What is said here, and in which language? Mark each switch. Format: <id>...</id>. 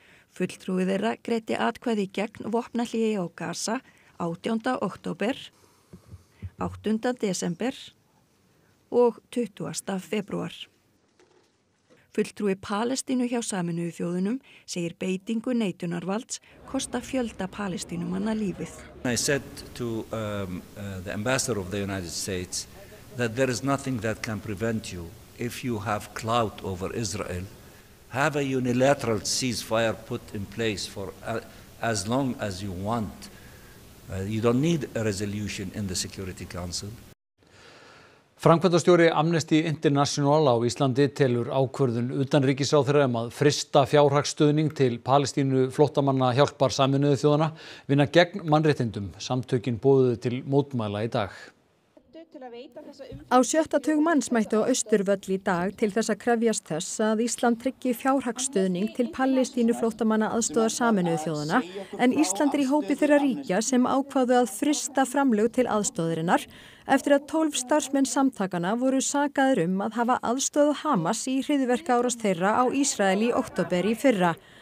<is>Fulltrúi þeirra greiddi atkvæði gegn vopnahléi á Gaza 18. október, 8. desember og 20. febrúar. Fulltrúi Palestínu hjá Sameinuðu þjóðunum segir beitingu neitunarvalds kosta fjölda Palestínumanna lífið.</is> <en>I said to the ambassador of the United States that there is nothing that can prevent you if you have clout over Israel. Have a unilateral ceasefire put in place for as long as you want. You don't need a resolution in the Security Council.</en> <is>Framkvæmdastjóri Amnesty International á Íslandi telur ákvörðun utanríkisráðherra að frysta fjárhagsstuðning til Palestínu flóttamanna hjálpar Sameinuðu þjóðanna vinna gegn mannréttindum. Samtökin boðuðu til mótmæla í dag. Á sjötta tug manns mættu á Austurvöll í dag til þess að krefjast þess að Ísland tryggi fjárhagsstuðning til Palestínu flóttamanna aðstoðar Sameinuðu þjóðanna, en Ísland í hópi þeirra ríkja sem ákváðu að frysta framlög til aðstoðarinnar eftir að 12 starfsmenn samtakanna voru sakaðir að hafa aðstoðað Hamas í hryðjuverkaárás þeirra á Ísrael í október í fyrra.</is>